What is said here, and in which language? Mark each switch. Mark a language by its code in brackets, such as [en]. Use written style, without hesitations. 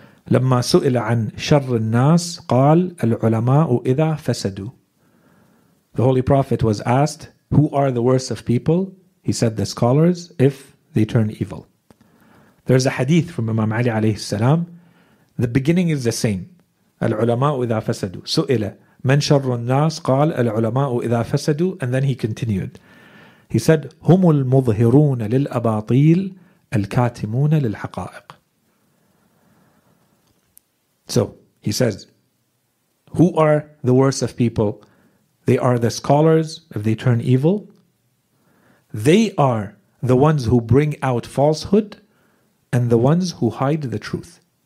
[ar] لما سئل عن شر الناس قال العلماء إذا فسدوا. [en] The Holy Prophet was asked, who are the worst of people? He said, the scholars, if they turn evil. There's a hadith from Imam Ali alayhi salam. The beginning is the same. [ar] العلماء إذا فسدوا. سئل من شر الناس قال العلماء إذا فسدوا. [en] And then he continued. He said, [ar] هم المظهرون للأباطيل الكاتمون للحقائق. [en] So he says, who are the worst of people? They are the scholars if they turn evil. They are the ones who bring out falsehood and the ones who hide the truth.